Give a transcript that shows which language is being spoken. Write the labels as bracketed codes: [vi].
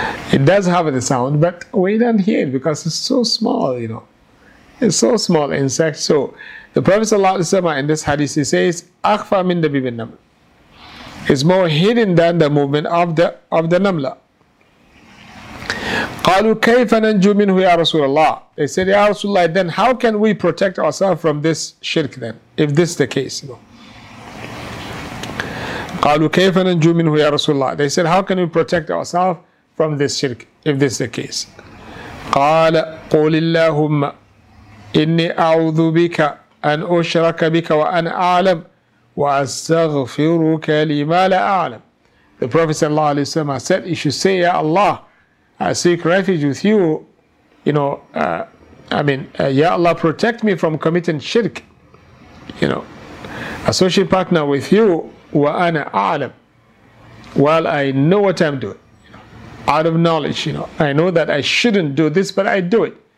[en] It does have the sound, but we don't hear it because it's so small, you know. It's so small insect. So the Prophet sallallahu alayhi wa sallam in this hadith, he says, [ar] أخفى من دبيب النملة. [en] It's more hidden than the movement of the namla. [ar] قالوا كيف ننجو منه يا رسول الله. [en] They said, Ya Rasulullah, then how can we protect ourselves from this shirk then, if this is the case? [ar] قالوا كيف ننجو منه يا رسول الله. [en] They said, how can we protect ourselves from this shirk, if this is the case? [ar] قال قول اللهم إني أعوذ بك أن أشرك بك وأن أعلم وأستغفرك لما لا أعلم. [en] The Prophet sallallahu alayhi wa sallam said, you should say, Ya Allah, I seek refuge with you, Ya Allah, protect me from committing shirk, you know, associate partner with you, [ar] wa ana a'lam, [en] while I know what I'm doing, out of knowledge, you know, I know that I shouldn't do this, but I do it.